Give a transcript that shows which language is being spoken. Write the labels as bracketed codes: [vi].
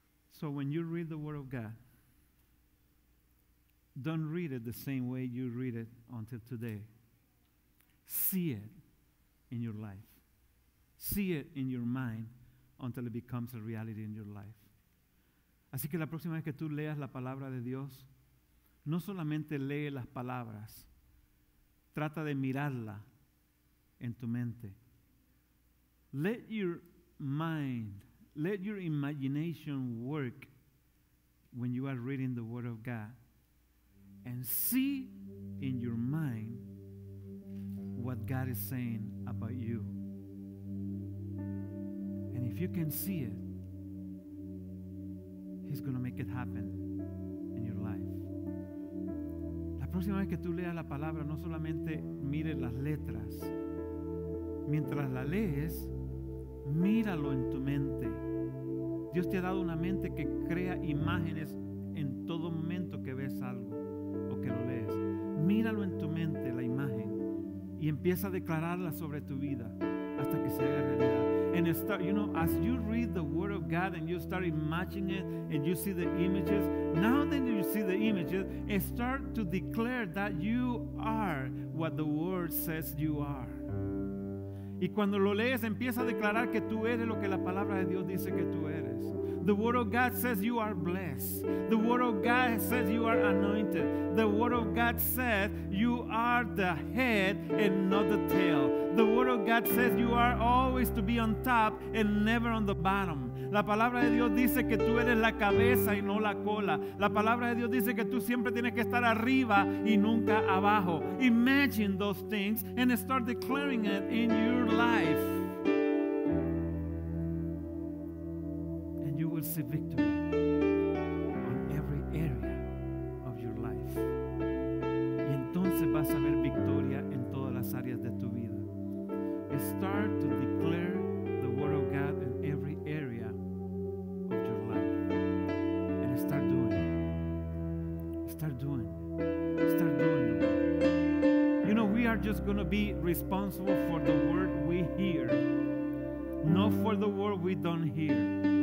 [en] So when you read the Word of God, don't read it the same way you read it until today. See it in your life. See it in your mind until it becomes a reality in your life. [es] Así que la próxima vez que tú leas la palabra de Dios, no solamente lee las palabras, trata de mirarla en tu mente. [en] Let your mind, let your imagination work when you are reading the Word of God. And see in your mind what God is saying about you. And if you can see it, He's going to make it happen in your life. [es] La próxima vez que tú leas la palabra, no solamente mire las letras. Mientras la lees, míralo en tu mente. Dios te ha dado una mente que crea imágenes en todo momento que ves algo o que lo lees. Míralo en tu mente, la imagen, y empieza a declararla sobre tu vida hasta que se haga realidad. [en] And start, you know, as you read the Word of God and you start imagining it and you see the images, now that you see the images, start to declare that you are what the Word says you are. [es] Y cuando lo lees, empieza a declarar que tú eres lo que la palabra de Dios dice que tú eres. [en] The Word of God says you are blessed. The Word of God says you are anointed. The Word of God says you are the head and not the tail. The Word of God says you are always to be on top and never on the bottom. [es] La palabra de Dios dice que tú eres la cabeza y no la cola. La palabra de Dios dice que tú siempre tienes que estar arriba y nunca abajo. [en] Imagine those things and start declaring it in your life. And you will see victory on every area of your life. [es] Y entonces vas a ver victoria en todas las áreas de tu vida. [en] Start to declare the Word of God in every area of your life. And start doing it. Start doing it. Start doing it. You know, we are just going to be responsible for the word we hear, not for the word we don't hear.